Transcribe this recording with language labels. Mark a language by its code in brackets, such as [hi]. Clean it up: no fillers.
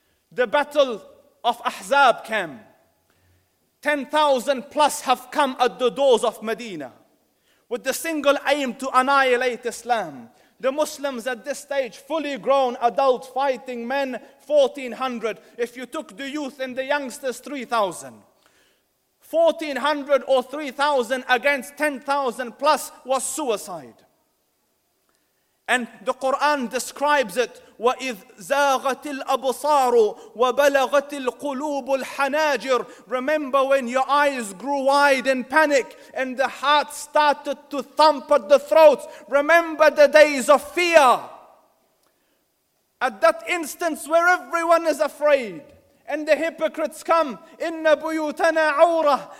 [en] The battle of Ahzab came. 10,000 plus have come at the doors of Medina, with the single aim to annihilate Islam. The Muslims at this stage, fully grown adult fighting men, 1,400. If you took the youth and the youngsters, 3,000. 1,400 or 3,000 against 10,000 plus was suicide. And the Quran describes it, [ar] وَإِذْ زَاغَتِ الْأَبْصَارُ وَبَلَغَتِ الْقُلُوبُ الْحَنَاجِرُ. [en] Remember when your eyes grew wide in panic and the heart started to thump at the throat. Remember the days of fear. At that instance where everyone is afraid and the hypocrites come, [ar] إِنَّ بُيُوتَنَا عَوْرَةٌ.